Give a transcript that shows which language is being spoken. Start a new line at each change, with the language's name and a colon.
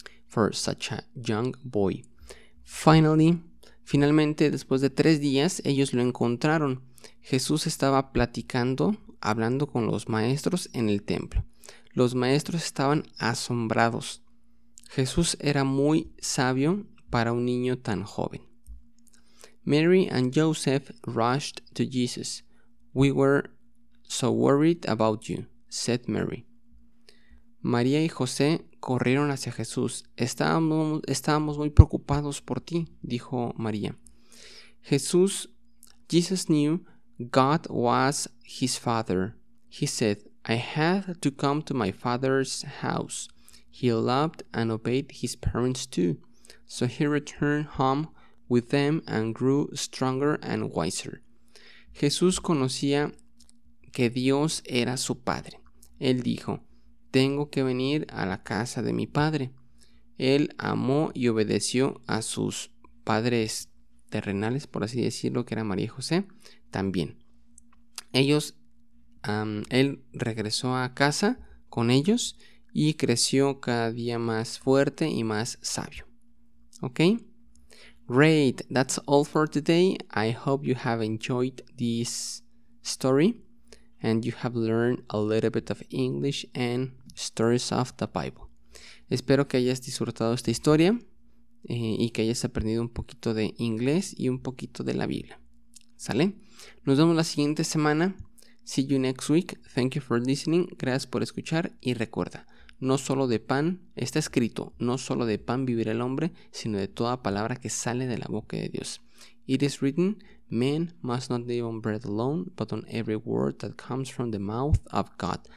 Spanish: Finalmente, después de 3 días, ellos lo encontraron. Jesús estaba platicando hablando con los maestros en el templo. Los maestros estaban asombrados. Jesús era muy sabio para un niño tan joven.
English: Mary and Joseph rushed to Jesus. "We were so worried about you," said Mary.
Spanish: María y José corrieron hacia Jesús. Estábamos muy preocupados por ti, dijo María.
English: Jesus knew God was his father. He said, "I had to come to my father's house." He loved and obeyed his parents too. So he returned home with them and grew stronger and wiser.
Spanish: Jesús conocía que Dios era su padre. Él dijo, "Tengo que venir a la casa de mi padre." Él amó y obedeció a sus padres terrenales, por así decirlo, que era María y José, también. Él regresó a casa con ellos y creció cada día más fuerte y más sabio.
English: ¿Ok? Great, that's all for today. I hope you have enjoyed this story and you have learned a little bit of English and stories of the Bible.
Spanish: Espero que hayas disfrutado esta historia y que hayas aprendido un poquito de inglés y un poquito de la Biblia.
English: ¿Sale?
Spanish: Nos vemos la siguiente semana.
English: See you next week. Thank you for listening.
Spanish: Gracias por escuchar y recuerda. No solo de pan, está escrito, no solo de pan vivirá el hombre, sino de toda palabra que sale de la boca de Dios.
English: It is written, man must not live on bread alone, but on every word that comes from the mouth of God.